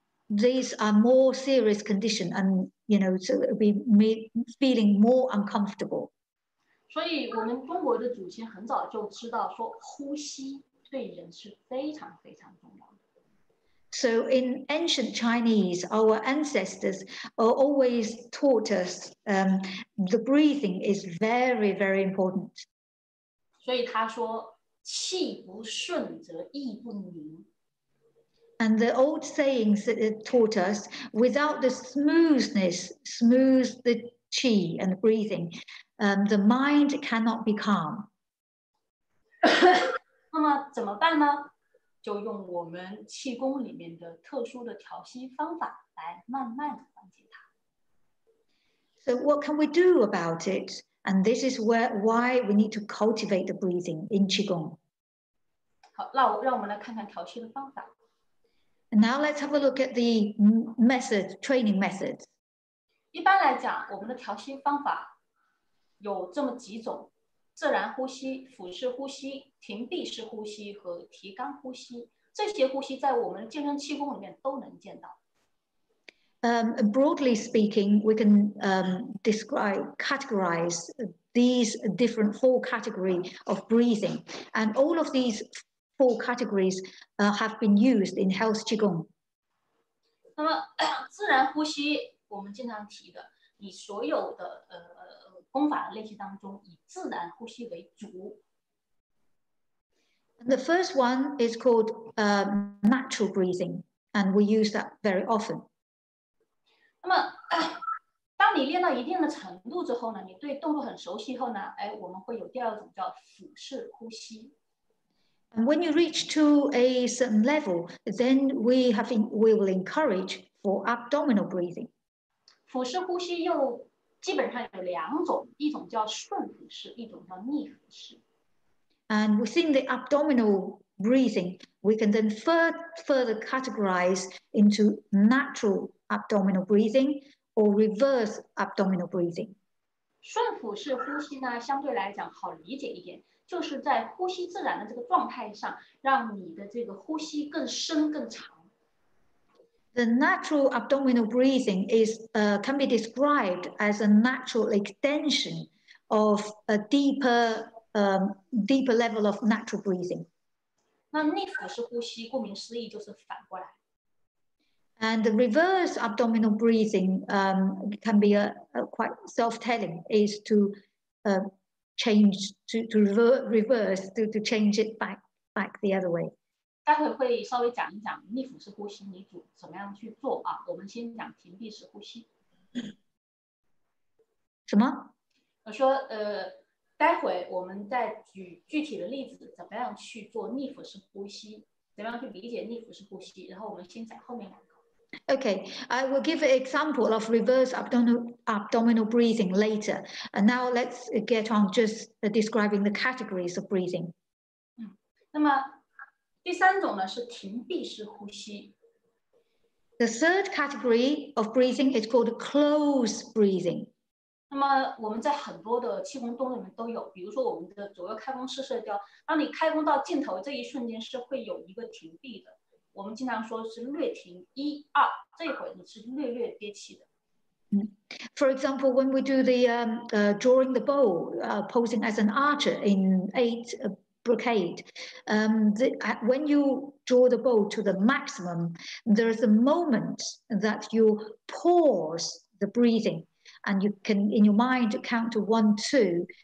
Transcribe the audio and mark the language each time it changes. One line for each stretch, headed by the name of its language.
English: These are more serious conditions and, you know, so it'll be feeling more uncomfortable.
Chinese: 所以我们中国的祖先很早就知道说呼吸对人是非常非常重要的。
English: So in ancient Chinese, our ancestors are always taught us the breathing is very, very important.
Chinese: 所以他说，气不顺则意不宁。
English: And the old sayings that it taught us, without the smoothness, smooth the qi and the breathing, the mind cannot be calm.
Chinese: 那么怎么办呢？就用我们气功里面的特殊的调息方法来慢慢缓解它。
English: So what can we do about it? And this is why we need to cultivate the breathing in Qigong.
Chinese: 好，让我们来看看调息的方法。
English: Now let's have a look at the method, training method.
Chinese: 一般来讲，我们的调息方法有这么几种。自然呼吸、腹式呼吸、停闭式呼吸和提肛呼吸，这些呼吸在我们健身气功里面都能见到。
English: Broadly speaking, we can categorize these different four categories of breathing, and all of these four categories have been used in health qigong.
Chinese: 那么自然呼吸，我们经常提的，你所有的功法的练习当中，以自然呼吸为主。
English: And the first one is called natural breathing, and we use that very often.
Chinese: 那么，当你练到一定的程度之后呢，你对动作很熟悉后呢，哎，我们会有第二种叫腹式呼吸。
English: And when you reach to a certain level, then we will encourage for abdominal breathing.
Chinese: 腹式呼吸又基本上有两种，一种叫顺腹式，一种叫逆腹式。
English: And within the abdominal breathing, we can then further categorize into natural abdominal breathing or reverse abdominal breathing.
Chinese: 顺腹式呼吸呢，相对来讲好理解一点，就是在呼吸自然的这个状态上，让你的这个呼吸更深更长。
English: The natural abdominal breathing is can be described as a natural extension of a deeper level of natural breathing.
Chinese: 那逆腹式呼吸，顾名思义就是反过来。
English: And the reverse abdominal breathing can be quite self-telling is to change to change it back the other way.
Chinese: 待会会稍微讲一讲逆腹式呼吸你怎么样去做啊？我们先讲停闭式呼吸。什么？我说待会我们再举具体的例子，怎么样去做逆腹式呼吸，怎么样去理解逆腹式呼吸，然后我们先讲后面两个。
English: Okay, I will give an example of reverse abdominal breathing later. And now let's get on just describing the categories of breathing.
Chinese: 那么第三种呢是停闭式呼吸。
English: The third category of breathing is called closed breathing.
Chinese: 那么我们在很多的气功动作里面都有，比如说我们的左右开弓式射雕，当你开弓到尽头这一瞬间是会有一个停闭的。我们经常说是略停一二，这一会你是略略憋气的。
English: For example, when we do the drawing the bow, posing as an archer in eight brocade, when you draw the bow to the maximum, there is a moment that you pause the breathing, and you can, in your mind, count to one, two.